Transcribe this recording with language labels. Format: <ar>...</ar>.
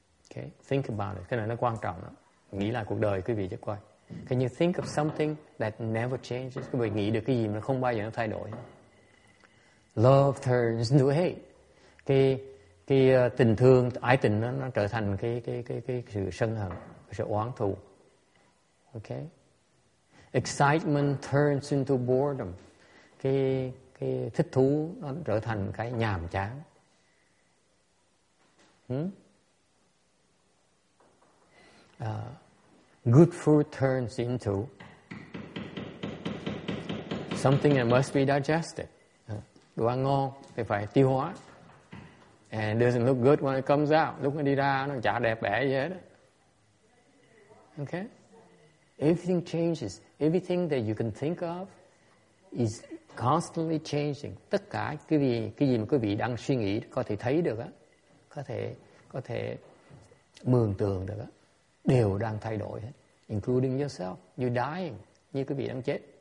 <en>Okay, think about it.</en> <vi>Cái này nó quan trọng đó. Nghĩ lại cuộc đời quý vị chứ coi.</vi> <en>Can you think of something that never changes?</en> <vi>Quý vị nghĩ được cái gì mà nó không bao giờ nó thay đổi?</vi> <en>Love turns into hate.</en> <vi>Cái tình thương, ái tình nó trở thành cái sự sân hận, sự oán thù. Okay.</vi> <en>Excitement turns into boredom.</en> <vi>Cái thích thú nó trở thành cái nhàm chán.</vi> <en>Good food turns into something that must be digested.</en> <vi>Đồ ăn ngon thì phải tiêu hóa.</vi> <en>And it doesn't look good when it comes out.</en> <vi>Lúc nó đi ra nó chả đẹp bẻ gì hết.</vi> <en>Okay? Everything changes. Everything that you can think of is constantly changing.</en> <vi>Tất cả cái gì mà quý vị đang suy nghĩ có thể thấy được á, có thể mường tượng được á, đều đang thay đổi hết.</vi> <en>Including yourself. You're dying.</en> <vi>Như quý vị đang chết.</vi>